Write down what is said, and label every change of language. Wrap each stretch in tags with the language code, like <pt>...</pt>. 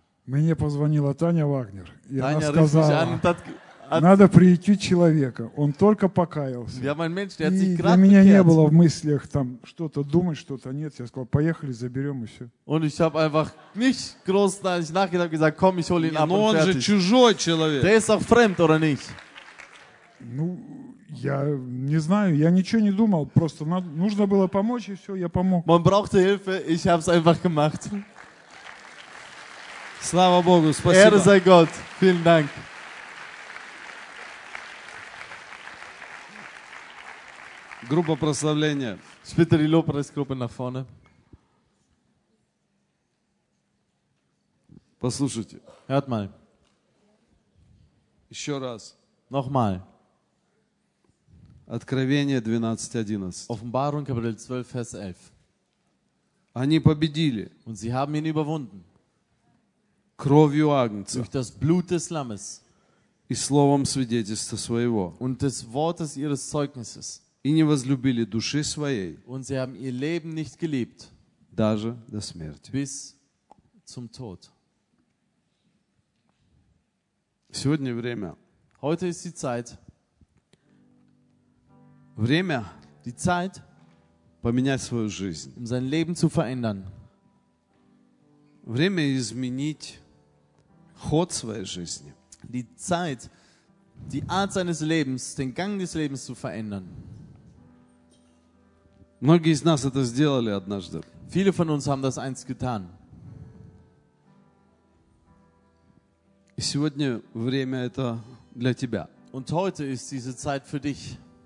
<ru>Мне позвонила Таня Вагнер. Таня рыжий, Надо прийти человека. Он только покаялся.</ru> <de>Ja, Mensch,</de> <ru>и для меня не было в мыслях там что-то думать, что-то нет. Я сказал, поехали, заберем и все.</ru> <de>Und ich habe einfach nicht groß nachgedacht, gesagt, komm, ich hole ihn ab.</de> <ru>Но он же чужой человек.</ru> <de>Der ist auch fremd, oder nicht?</de> <ru>Ну, я не знаю, я ничего не думал, просто нужно было помочь и все, я помог.</ru> <de>Man brauchte Hilfe, ich habe es einfach gemacht.</de> <ru>Слава Богу, спасибо. Ehre</ru> <de>sei Gott, vielen Dank.</de> <ru>Группа прославления.</ru> <de>Bitte die Lobpreisgruppe nach vorne.</de> <ru>Послушайте.</ru> <de>Hört mal.</de> <ru>Еще раз.</ru> <de>Nochmal.</de> <ru>Откровение 12:11.</ru> <de>Offenbarung, Kapitel 12, Vers 11.</de> <ru>Они победили.</ru> <de>Und sie haben ihn überwunden.</de> <ru>Кровью Агнца.</ru> <de>Durch das Blut des Lammes.</de> <ru>И словом свидетельства своего.</ru> <de>Und des Wortes ihres Zeugnisses.</de> <ru>И не возлюбили души своей.</ru> <de>Und sie haben ihr Leben nicht geliebt.</de> <ru>Даже до смерти.</ru> <de>Bis zum Tod.</de> <ru>Сегодня время.</ru> <de>Heute ist die Zeit.</de> <ru>Время,</ru> <de>die Zeit,</de> <ru>поменять свою жизнь,</ru> <de>um sein Leben zu verändern.</de> <ru>Время изменить ход своей жизни.</ru> <de>Die Zeit, die Art seines Lebens, den Gang des Lebens zu verändern.</de> <ru>Многие из нас это сделали однажды.</ru> <de>Viele von uns haben das einst getan.</de> <ru>И сегодня время это для тебя.</ru> <de>Und heute ist diese Zeit für dich.</de>